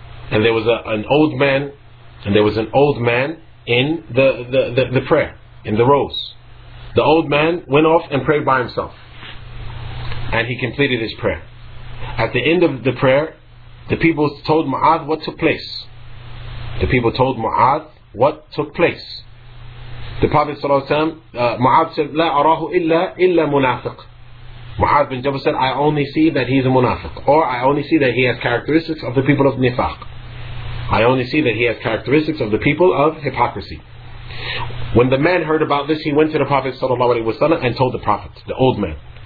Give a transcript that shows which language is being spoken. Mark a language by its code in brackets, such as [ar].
[en] And there was an old man in the prayer, in the rows. The old man went off and prayed by himself. And he completed his prayer. At the end of the prayer, the people told Mu'adh what took place. The people told Mu'adh what took place. The Prophet ﷺ, Mu'adh said, [ar] لا أراه إلا منافق. [en] Mu'adh bin Jabal said, I only see that he's a munafiq. Or I only see that he has characteristics of the people of nifaq. I only see that he has characteristics of the people of hypocrisy. When the man heard about this, he went to the Prophet ﷺ and told the Prophet, the old man.